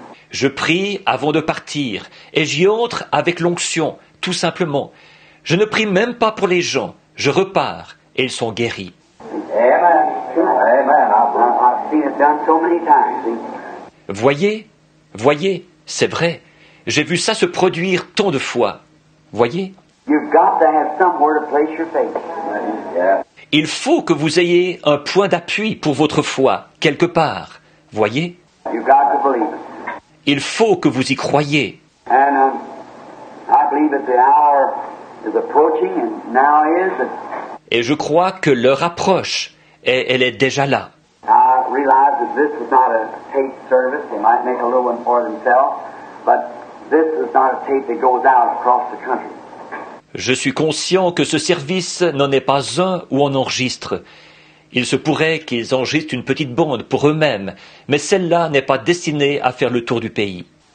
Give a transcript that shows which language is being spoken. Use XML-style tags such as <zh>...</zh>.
<fr>Je prie avant de partir et j'y entre avec l'onction, tout simplement. Je ne prie même pas pour les gens. Je repars et ils sont guéris. Amen.</fr> <en>I've seen it done so many times.</en> <fr>Voyez, c'est vrai. J'ai vu ça se produire tant de fois. Voyez.</fr> <en>You've got to have somewhere to place your faith.</en> <fr>Il faut que vous ayez un point d'appui pour votre foi, quelque part. Voyez.</fr> <en>You've got to believe.</en> <fr>Il faut que vous y croyez.</fr> <en>And I believe that the hour is approaching and now is.</en> <fr>Et je crois que l'heure approche et elle est déjà là.</fr> <en>I realize that this is not a tape service. They might make a little one for themselves. But this is not a tape that goes out across the country.</en> <fr>Je suis conscient que ce service n'en est pas un où on enregistre. Il se pourrait qu'ils enregistrent une petite bande pour eux-mêmes, mais celle-là n'est pas destinée à faire le tour du pays.</fr>